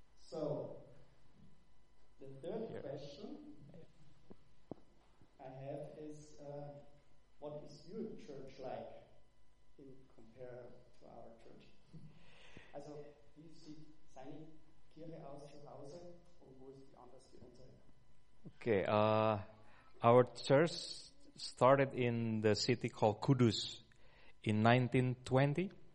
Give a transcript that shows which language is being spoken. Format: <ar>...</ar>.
<en>So, the third question I have is, what is your church like in compare to our church?</en> <de>Also, wie sieht seine Kirche aus zu Hause und wo ist sie anders als unsere?</de> <en>Okay, our church started in the city called Kudus in 1920.</en>